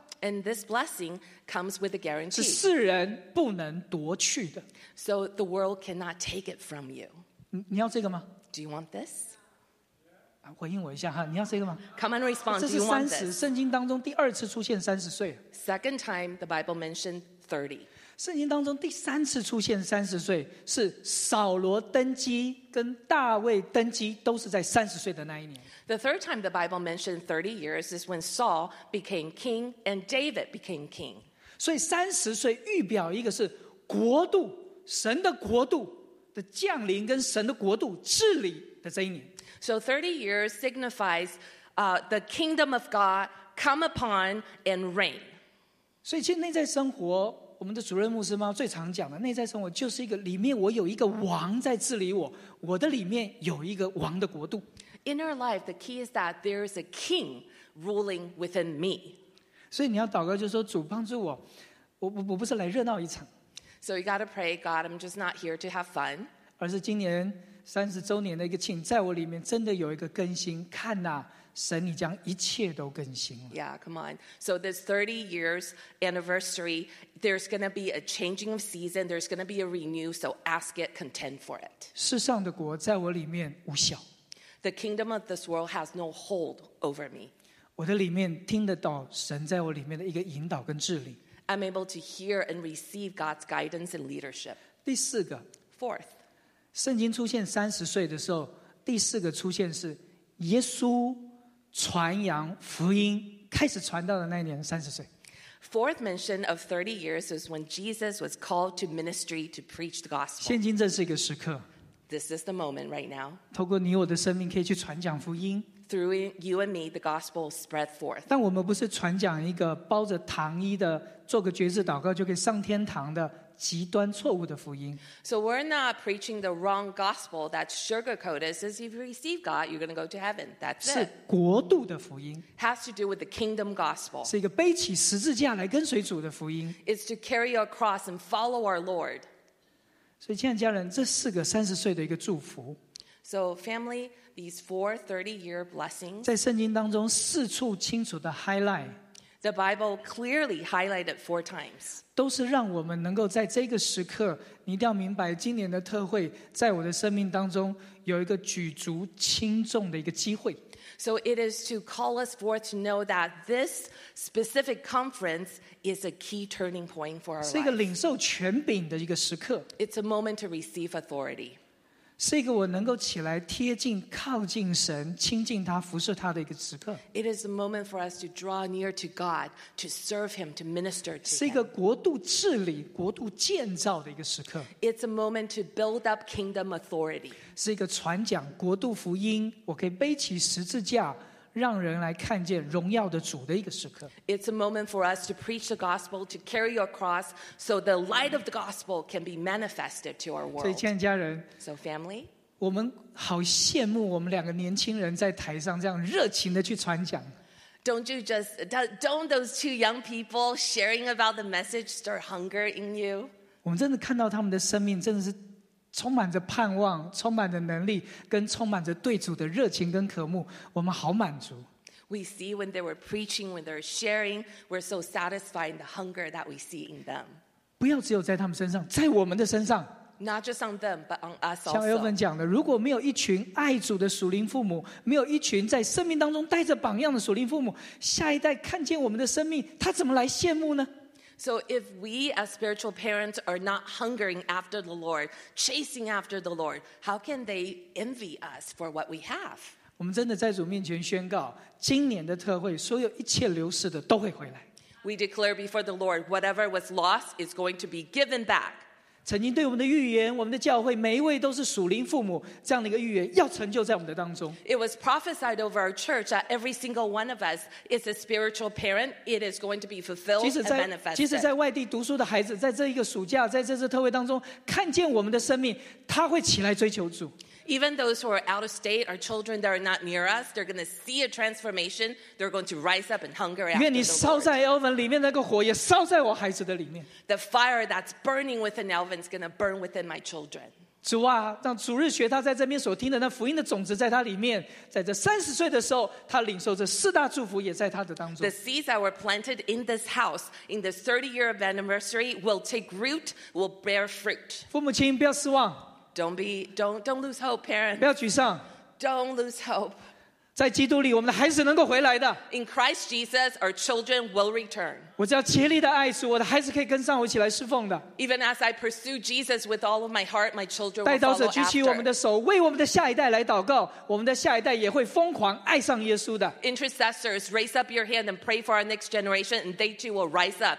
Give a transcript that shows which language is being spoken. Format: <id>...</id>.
<en>And this blessing comes with a guarantee.</en> <zh>是世人不能夺去的。</zh> <en>So the world cannot take it from you.</en> <zh>你要这个吗</zh> <en>？Do you want this?</en> <zh>回应我一下哈，你要这个吗</zh> <en>？Come and respond.</en> <zh>这是三十，圣经当中第二次出现三十岁。</zh> <en>Second time the Bible mentioned 30.</en> <zh>圣经当中第三次出现三十岁，是扫罗登基跟大卫登基都是在三十岁的那一年。</zh> <en>The third time the Bible mentioned 30 years is when Saul became king and David became king.</en> <zh>所以三十岁预表一个是国度，神的国度的降临跟神的国度治理的这一年。</zh> <en>So 30 years signifies the kingdom of God come upon and reign.</en> <zh>所以其实内在生活，我们的主任牧师妈最常讲的内在生活就是一个里面我有一个王在治理我，我的里面有一个王的国度。</zh> <en>In our life, the key is that there is a king ruling within me.</en> <zh>所以你要祷告，就是说主帮助我，我不是来热闹一场。</zh> <en>So you got to pray, God, I'm just not here to have fun.</en> <zh>而是今年三十周年的一个庆，在我里面真的有一个更新。看呐、啊，神，你将一切都更新了。</zh> <en>Yeah, come on. So this 30 years anniversary, there's going to be a changing of season. There's going to be a renew. So ask it, contend for it.</en> <zh>世上的国在我里面无效。</zh> <en>The kingdom of this world has no hold over me.</en> <zh>我的里面听得到神在我里面的一个引导跟治理。</zh> <en>I'm able to hear and receive God's guidance and leadership.</en> <zh>第四个。</zh> <en>Fourth.</en> <zh>圣经出现三十岁的时候，第四个出现是耶稣传扬福音开始传道的那一年，三十岁。</zh> <en>Fourth mention of 30 years is when Jesus was called to ministry to preach the gospel.</en> <zh>现今这是一个时刻。</zh> <en>This is the moment right now.</en> <zh>透过你我的生命可以去传讲福音。</zh> <en>Through you and me, the gospel spread forth.</en> <zh>但我们不是传讲一个包着糖衣的，做个决志祷告就可以上天堂的极端错误的福音。</zh> <en>So we're not preaching the wrong gospel that sugarcoated says if you receive God, you're going to go to heaven. That's it.</en> <zh>是国度的福音。</zh> <en>Has to do with the kingdom gospel.</en> <zh>是一个背起十字架来跟随主的福音。</zh> <en>It's to carry your cross and follow our Lord.</en> <zh>所以亲爱的家人，这四个三十岁的一个祝福。</zh> <en>So family, these four 30-year blessings.</en> <zh>在圣经当中四处清楚的 highlight.</zh> <en>The Bible clearly highlighted four times.</en> <zh>都是让我们能够在这个时刻，你一定要明白，今年的特会在我的生命当中有一个举足轻重的一个机会。</zh> <en>So it is to call us forth to know that this specific conference is a key turning point for our life.</en> <zh>是一个领受权柄的一个时刻。</zh> <en>It's a moment to receive authority.</en> <zh>是一个我能够起来贴近、靠近神、亲近他、服侍他的一个时刻。</zh> <en>It is a moment for us to draw near to God, to serve Him, to minister to Him.</en> <zh>是一个国度治理、国度建造的一个时刻。</zh> <en>It's a moment to build up kingdom authority.</en> <zh>是一个传讲国度福音，我可以背起十字架，让人来看见荣耀的主的一个时刻。</zh> <en>It's a moment for us to preach the gospel, to carry your cross, so the light of the gospel can be manifested to our world.</en> <zh>所以亲爱的家人，</zh> <en>so family,</en> <zh>我们好羡慕我们两个年轻人在台上这样热情的去传讲。</zh> <en>Don't those two young people sharing about the message stir hunger in you?</en> <zh>我们真的看到他们的生命真的是充满着盼望，充满着能力，跟充满着对主的热情跟渴慕，我们好满足。</zh> <en>We see when they were preaching, when they were sharing, we're so satisfied in the hunger that we see in them.</en> <zh>不要只有在他们身上，在我们的身上。</zh> <en>Not just on them, but on us also.</en> <zh>像Elvin讲的，如果没有一群爱主的属灵父母，没有一群在生命当中带着榜样的属灵父母，下一代看见我们的生命，他怎么来羡慕呢？</zh> <en>So if we as spiritual parents are not hungering after the Lord, chasing after the Lord, how can they envy us for what we have?</en> <zh>我们真的在主面前宣告，今年的特会，所有一切流失的都会回来。</zh> <en>We declare before the Lord, whatever was lost is going to be given back.</en> <zh>曾经对我们的预言，我们的教会，每一位都是属灵父母，这样的一个预言要成就在我们的当中。</zh> <en>It was prophesied over our church that every single one of us is a spiritual parent. It is going to be fulfilled and manifested.</en> <zh>即使在外地读书的孩子，在这一个暑假，在这次特会当中，看见我们的生命，他会起来追求主。</zh> <en>Even those who are out of state, our children that are not near us, they're going to see a transformation. They're going to rise up and hunger after the Lord.</en> <zh>愿你烧在 Elvin 里面那个火，也烧在我孩子的里面。</zh> <en>The fire that's burning within Elvin is going to burn within my children.</en> <zh>主啊，让主日学他在这边所听的那福音的种子在他里面，在这三十岁的时候，他领受这四大祝福也在他的当中。</zh> <en>The seeds that were planted in this house in this 30-year anniversary will take root, will bear fruit.</en> <zh>父母亲，不要失望。</zh> <en>Don't lose hope, parents.</en> <zh>不要沮丧。</zh> <en>Don't lose hope.</en> <zh>在基督里，我们的孩子能够回来的。</zh> <en>In Christ Jesus, our children will return.</en> <zh>我只要竭力的爱主，我的孩子可以跟上我一起来侍奉的。</zh> <en>Even as I pursue Jesus with all of my heart, my children will follow after.</en> <zh>带刀者举起我们的手，为我们的下一代来祷告，我们的下一代也会疯狂爱上耶稣的。</zh> <en>Intercessors, raise up your hand and pray for our next generation, and they too will rise up.</en>